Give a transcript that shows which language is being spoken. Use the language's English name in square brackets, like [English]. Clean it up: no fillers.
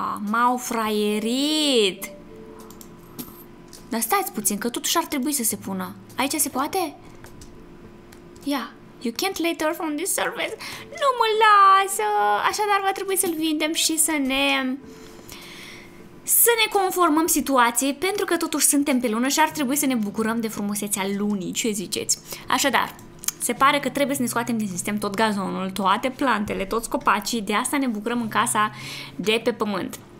[Romanian] M-au fraierit! Dar stați puțin, că totuși ar trebui să se pună. Aici se poate? Ia, [English] you can't lay turf on this surface. [Romanian] Nu mă lasă! Așadar va trebui să-l vindem și să ne... Să ne conformăm situației, pentru că totuși suntem pe lună și ar trebui să ne bucurăm de frumusețea lunii, ce ziceți? Așadar, se pare că trebuie să ne scoatem din sistem tot gazonul, toate plantele, toți copacii, de asta ne bucurăm în casa de pe pământ.